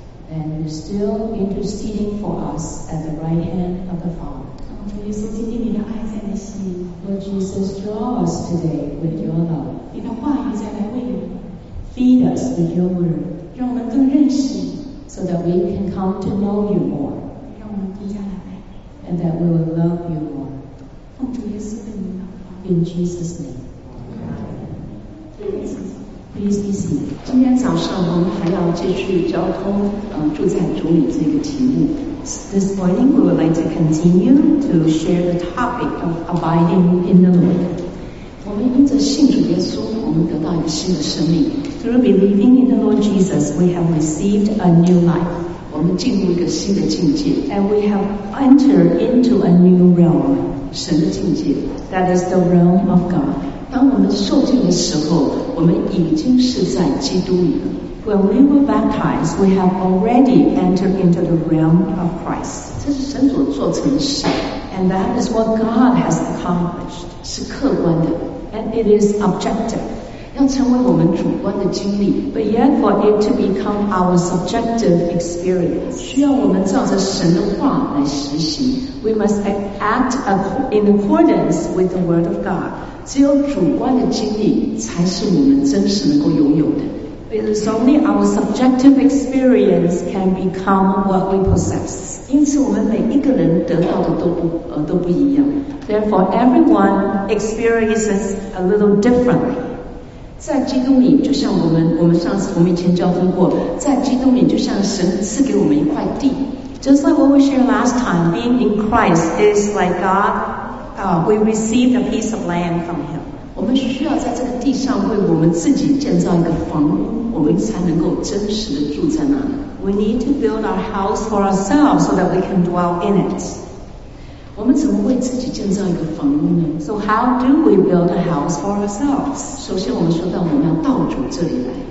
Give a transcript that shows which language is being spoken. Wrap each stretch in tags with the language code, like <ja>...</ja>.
<en>Interceding for us at the right hand of the Father.</en> <zh>主耶稣，今天你的爱在你心里。</zh> <en>Jesus, draw us today with your love.</en> <zh>你的话语再来喂我们。</zh> <en>Feed us with your word.</en> <zh>让我们更认识你。</zh> <en>So that we can come to know you more.</en> <zh>让我们更加来爱。</zh> <en>And that we will love you more.</en> <zh>奉主耶稣的名祷告。</zh> <en>In Jesus' name. Amen. Please be seated.</en> <zh>今天早上我们还要继续交通，住在主里这个题目。</zh> <en>This morning we would like to continue to share the topic of abiding in the Lord.</en> <zh>我们因着信主耶稣，我们得到一个新的生命。</zh> <en>Through believing in the Lord Jesus, we have received a new life.</en> <zh>我们进入一个新的境界。</zh> <en>And we have entered into a new realm.</en> <zh>神的境界。</zh> <en>That is the realm of God.</en> <zh>当我们受浸的时候，我们已经是在基督里了。</zh> <en>When we were baptized, we have already entered into the realm of Christ.</en> <zh>这是神所做成的事。</zh> <en>And that is what God has accomplished.</en> <zh>是客观的。</zh> <en>And it is objective.</en> <zh>要成为我们主观的经历。</zh> <en>But yet for it to become our subjective experience.</en> <zh>需要我们照着神的话来实行。</zh> <en>We must act in accordance with the word of God.</en> <zh>只有主观的经历才是我们真实能够拥有的。</zh> <en>It is only our subjective experience can become what we possess.</en> <zh>因此我们每一个人得到的都不一样。</zh> <en>Therefore, everyone experiences a little differently.</en> <zh>在基督里，就像我们以前交通过，在基督里就像神赐给我们一块地。</zh> <en>Just like what we shared last time, being in Christ is like God, we receive a piece of land from Him.</en> <zh>我们需要在这个地上为我们自己建造一个房屋，我们才能够真实的住在那里。</zh> <en>We need to build our house for ourselves so that we can dwell in it.</en> <zh>我们怎么为自己建造一个房屋呢？</zh> <en>So how do we build a house for ourselves?</en> <zh>首先我们说到我们要到主这里来。</zh>